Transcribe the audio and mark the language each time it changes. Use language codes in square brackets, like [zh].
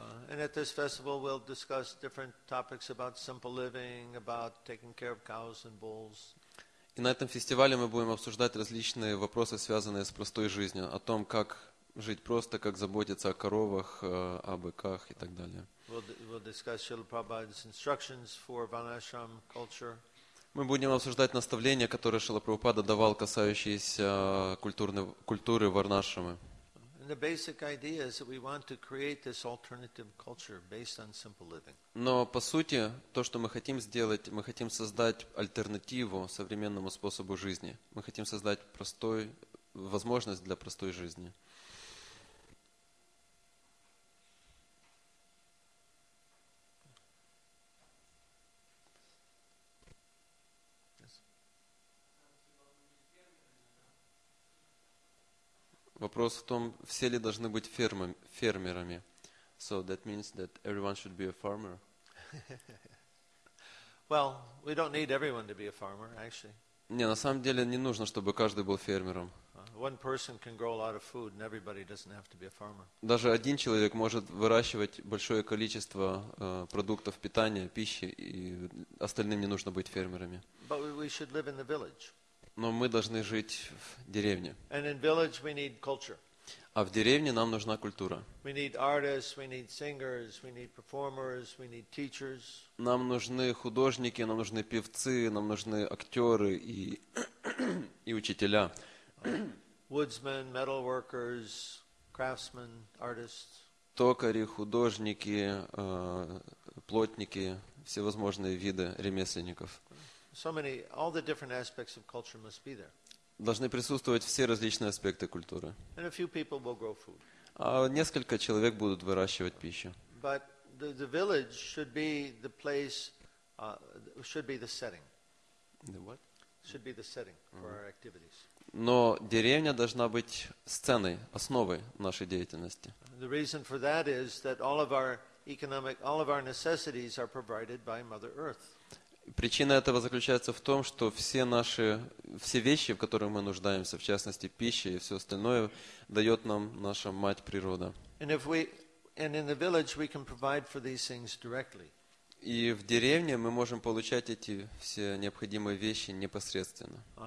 [en] And at this festival we'll discuss different topics about simple living, about taking care of cows and bulls. [ru] И на этом фестивале мы будем обсуждать различные вопросы, связанные с простой жизнью, о том, как жить просто, как заботиться о коровах, о быках и так далее. [en] We'll discuss Srila Prabhupada's instructions for Vanashram culture. [ru] Мы будем обсуждать наставления, которые Шрила Прабхупада давал, касающиеся культуры Варнашрамы. [en] The basic idea is that we want to create this alternative culture based on simple living. [ru] Но по сути то, что мы хотим сделать, мы хотим создать альтернативу современному способу жизни. Мы хотим создать простой возможность для простой жизни. Вопрос в том, все ли должны быть фермерами. [en] So that means that everyone should be a farmer. Well, we don't need everyone to be a farmer, actually. [ru] Не, на самом деле не нужно, чтобы каждый был фермером. [en] One person can grow a lot of food and everybody doesn't have to be a farmer. [ru] Даже один человек может выращивать большое количество продуктов питания, пищи, и остальным не нужно быть фермерами. [en] But we should live in the village. [ru] Но мы должны жить в деревне. [en] And in village we need culture. [ru] А в деревне нам нужна культура. [en] We need artists, we need singers, we need performers, we need teachers. [ru] Нам нужны художники, нам нужны певцы, нам нужны актеры и и учителя. [en] Woodsmen, metal workers, craftsmen, artists. [ru] Токари, художники, плотники, всевозможные виды ремесленников. [en] So many, all the different aspects of culture must be there. [ru] Должны присутствовать все различные аспекты культуры. [en] And a few people will grow food. [ru] А несколько человек будут выращивать пищу. [en] But the village should be the place, should be the setting. The what? Should be the setting for our activities. [ru] Но деревня должна быть сценой, основой нашей деятельности. The reason for that is that all of our necessities are provided by Mother Earth. Причина этого заключается в том, что все вещи, в которых мы нуждаемся, в частности пища и все остальное, дает нам наша мать природа. И в деревне мы можем получать эти все необходимые вещи непосредственно.